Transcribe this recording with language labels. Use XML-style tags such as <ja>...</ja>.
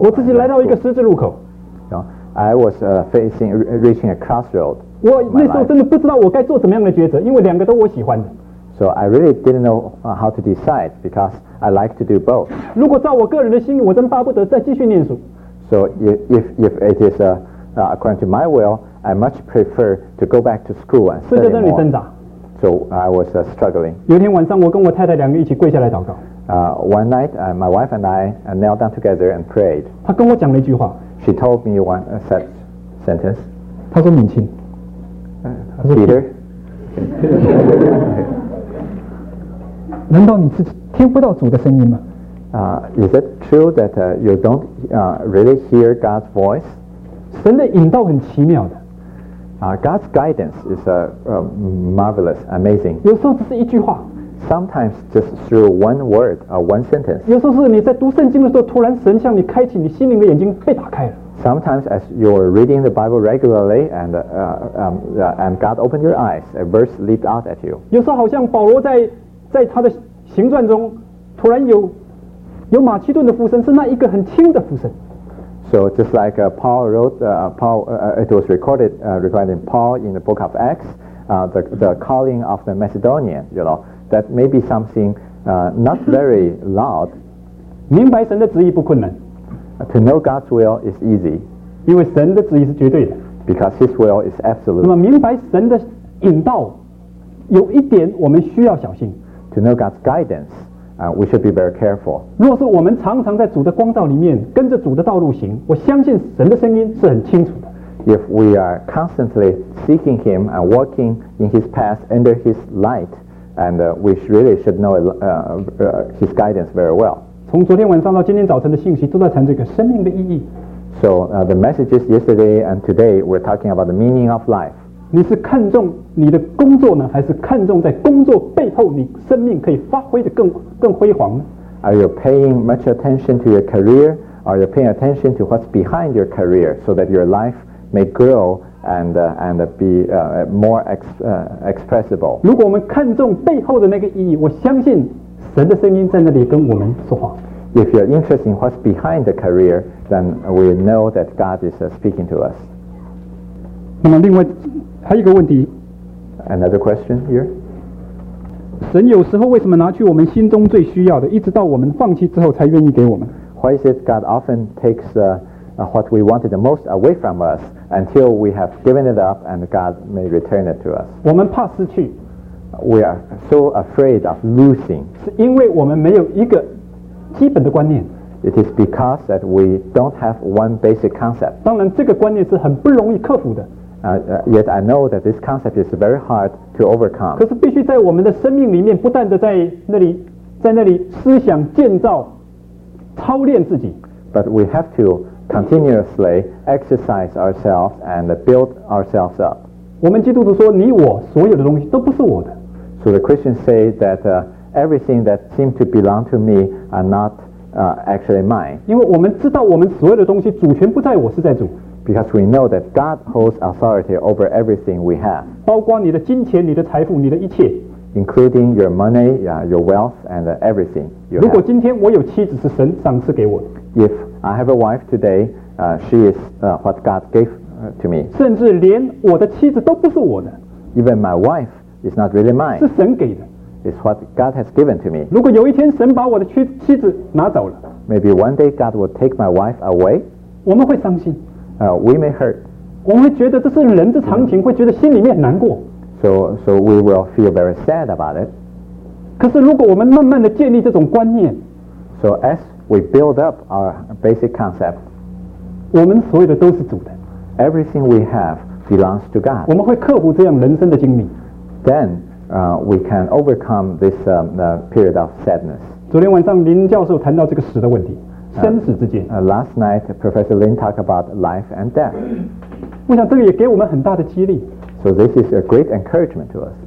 <zh>我自己来到一个十字路口。</zh> <en>I was reaching a crossroad.</en> <zh>我那时候真的不知道我该做怎么样的抉择，因为两个都我喜欢的。</zh> <en>So I really didn't know how to decide because I like to do both.</en> <zh>如果照我个人的心，我真巴不得再继续念书。</zh> <en>So if it is according to my will, I much prefer to go back to school and study more.</en> <zh>在那里挣扎。</zh> <en>So I was struggling.</en> <zh>有一天晚上，我跟我太太两个一起跪下来祷告。</zh> <en>One night, my wife and I knelt down together and prayed.</en> <zh>她跟我讲了一句话。</zh> <en>She told me one set sentence.</en> <zh>她说敏清。</zh> <en>Peter.</en> <zh>难道你自己听不到主的声音吗？</zh> <en>Is it true that you don't really hear God's voice?</en> <zh>神的引导很奇妙的。</zh> <en>God's guidance is marvelous, amazing.</en> <zh>有时候只是一句话。</zh> <en>Sometimes just through one word or one sentence.</en> <zh>有时候是你在读圣经的时候，突然神向你开启你心灵的眼睛被打开了。</zh> <en>Sometimes as you are reading the Bible regularly and God opened your eyes, a verse leaped out at you.</en> <zh>有时候好像保罗在他的行传中突然有马其顿的附身，是那一个很轻的附身。</zh> <en>So just like Paul wrote it was recorded regarding Paul in the book of Acts, the calling of the Macedonian, you know, that may be something not very loud.</en> <zh>明白神的旨意不困难。</zh> <en>To know God's will is easy.</en> <zh>因为神的旨意是绝对的。</zh> <en>Because His will is absolute.</en> <zh>那么明白神的引导，有一点我们需要小心。</zh> <en>To know God's guidance, we should be very careful.</en> <zh>若是我们常常在主的光照里面跟着主的道路行，我相信神的声音是很清楚的。</zh> <en>If we are constantly seeking Him and walking in His path under His light, and we really should know His guidance very well.</en> <zh>从昨天晚上到今天早晨的信息都在谈这个生命的意义。</zh> <en>So the messages yesterday and today were talking about the meaning of life.</en> <zh>你是看重你的工作呢，还是看重在工作背后你生命可以发挥的更辉煌呢？</zh> <en>Are you paying much attention to your career? Are you paying attention to what's behind your career so that your life may grow and be more expressible?</en> <zh>如果我们看重背后的那个意义，我相信神的声音在那里跟我们说话。</zh> <en>If you're interested in what's behind the career, then we know that God is speaking to us.</en> <zh>那么另外还有一个问题。</zh> <en>Another question here.</en> <zh>神有时候为什么拿去我们心中最需要的，一直到我们放弃之后才愿意给我们？</zh> <en>Why is it God often takes what we wanted the most away from us until we have given it up and God may return it to us.</en> <zh>我们怕失去。</zh> <en>We are so afraid of losing.</en> <zh>是因为我们没有一个基本的观念。</zh> <en>It is because that we don't have one basic concept.</en> <zh>当然这个观念是很不容易克服的。</zh> <en>Yet I know that this concept is very hard to overcome.</en> <zh>可是必须在我们的生命里面不断地在那里思想建造操练自己。</zh> <en>But we have to continuously exercise ourselves and build ourselves up.</en> <zh>我们基督徒说你我所有的东西都不是我的。</zh> <en>So the Christians say that everything that seems to belong to me are notactually mine.</en> <zh>因为我们知道我们所有的东西主权不在我是在主。</zh> <en>Because we know that God holds authority over everything we have.</en> <zh>包括你的金钱你的财富你的一切。</zh> <en>Including your money, your wealth, and everything you</en> <zh>have. 如果今天我有妻子是神赏赐给我的。</zh> <en>If I have a wife today, she is what God gave to me.</en> <zh>甚至连我的妻子都不是我的。</zh> <en>Even my wife is not really mine.</en> <zh>是神给的。</zh> <en>It's what God has given to me.</en> <zh>如果有一天神把我的妻子拿走了</zh> <en>Maybe one day God will take my wife away.</en> <zh>我们会伤心</zh> <en>We may hurt.</en> <zh>我们会觉得这是人之常情 会觉得心里面难过</zh> <en>So we will feel very sad about it.</en> <zh>可是如果我们慢慢地建立这种观念</zh> <en>So as we build up our basic concept,</en> <zh>我们所有的都是主的</zh> <en>Everything we have belongs to God.</en> <zh>我们会克服这样人生的经历</zh> <en>Then,we can overcome this period of sadness.</en> <zh>昨天晚上林教授谈到这个死的问题，生死之间。</zh> <en>Last night, Professor Lin talked about life and death.</en> <zh>我想这个也给我们很大的激励。</zh> <en>So this is a great encouragement to us.</en>